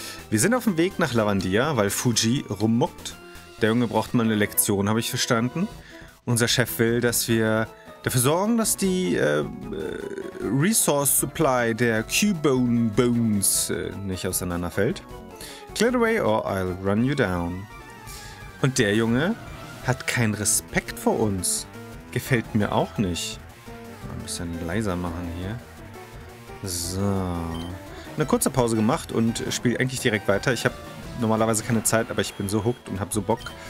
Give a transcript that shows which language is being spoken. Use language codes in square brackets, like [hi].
[de] Wir sind auf dem Weg nach Lavandia, weil Fuji rummuckt. Der Junge braucht mal eine Lektion, habe ich verstanden. Unser Chef will, dass wir dafür sorgen, dass die Resource Supply der Cubone Bones nicht auseinanderfällt. [en] Clear the way or I'll run you down. [de] Und der Junge hat keinen Respekt vor uns. Gefällt mir auch nicht. Mal ein bisschen leiser machen hier. So. Eine kurze Pause gemacht und spiele eigentlich direkt weiter. Ich habe normalerweise keine Zeit, aber ich bin so hooked und habe so Bock.